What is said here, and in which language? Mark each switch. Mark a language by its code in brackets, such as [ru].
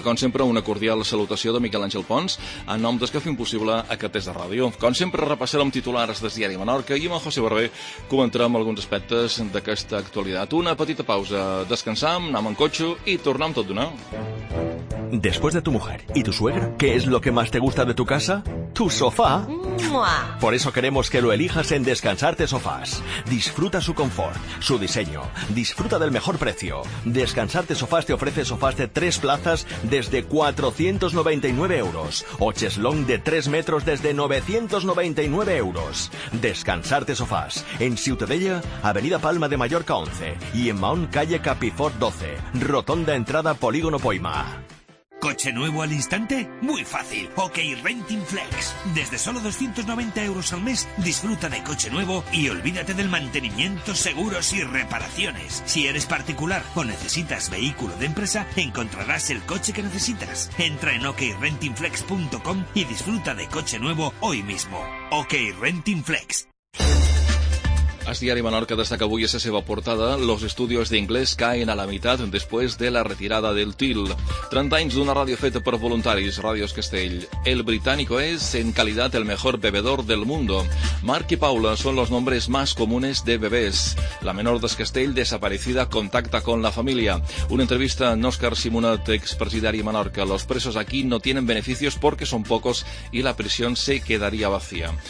[ca] Com sempre, una cordial salutació de Miquel Àngel Pons, en nom d'Es que fa impossible aquest Es de Ràdio. Com sempre, repassarem titulars des diari Menorca i amb el José Barber comentarem alguns aspectes d'aquesta actualitat. Una petita pausa, descansam, anem en cotxe i tornem tot d'una. [es] Después de tu mujer y tu suegra, ¿qué es lo que más te gusta de tu casa? ¿Tu sofá? ¡Mua! Por eso queremos que lo elijas en Descansarte Sofás. Disfruta su confort, su diseño. Disfruta del mejor precio. Descansarte Sofás te ofrece sofás de tres plazas desde 499 euros. O cheslong de 3 metros desde 999 euros. Descansarte Sofás. En Ciutadella, Avenida Palma de Mallorca 11. Y en Mahón, calle Capifort 12. Rotonda entrada Polígono Poima. ¿Coche nuevo al instante? Muy fácil. OK Renting Flex. Desde solo 290 euros al mes, disfruta de coche nuevo y olvídate del mantenimiento, seguros y reparaciones. Si eres particular o necesitas vehículo de empresa, encontrarás el coche que necesitas. Entra en okrentingflex.com y disfruta de coche nuevo hoy mismo. OK Renting Flex. [ca] El diari Menorca destaca avui a la seva portada: [es] los estudios de inglés caen a la mitad después de la retirada del TIL. [ca] 30 anys d'una ràdio feta per voluntaris, Ràdios Castell. [es] El británico es, en calidad, el mejor bebedor del mundo. Marc i Paula son los nombres más comunes de bebés. La menor de Castell, desaparecida, contacta con la familia. [ca] Una entrevista en Òscar Simonet, expresidari Menorca. [es] Los presos aquí no tienen beneficios porque son pocos y la prisión se quedaría vacía.